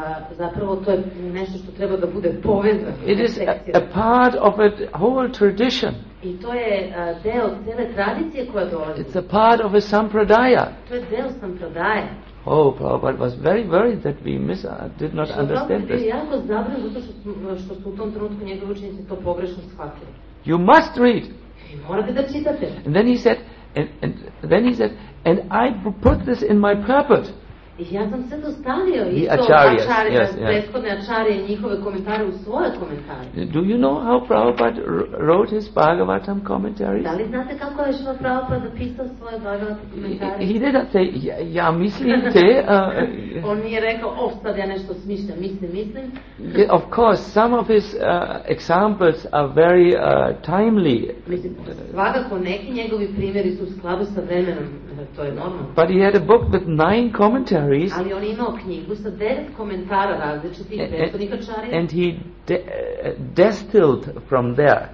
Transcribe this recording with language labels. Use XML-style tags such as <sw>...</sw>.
<sr>Zapravo to je nešto što treba da bude povezano.</sr> <en>It is a part of a whole tradition.</en> <sr>I to je deo cele tradicije koja dolazi.</sr> <en>It's a part of a sampradaya.</en> <sr>To je deo sampradaya.</sr> <en>Oh, Prabhupada was very worried that we did not understand this.</en> <sr>Prabhupada je jako zabrinut zato što su u tom trenutku njegovi učenici to pogrešno shvatili.</sr> <en>You must read.</en> <sr>I morate da čitate.</sr> <en>And then he said, and I put this in my purport.</en> <sr>Ja sam sve dostavio isto acharyas, prethodne acharye i njihove komentare u svoje komentare.</sr> <en>Do you know how Prabhupada wrote his Bhagavatam commentaries?</en> <sr>Da li znate kako je Šrila Prabhupada napisao svoje Bhagavatam komentare?</sr> <en>He did say,</en> <sr>ja mislim te. On nije rekao, sad ja nešto smišljam, mislim.</sr> <en>Yeah, of course, some of his examples are very timely.</en> <sr>Mislim, svakako neki njegovi primjeri su u skladu sa vremenom. To je normalno.</sr> <en>But he had a book with 9 commentaries.</en> <sr>Ali on imao knjigu sa 9 komentara različitih prethodnih acharya.</sr> <en>And he distilled from there.</en>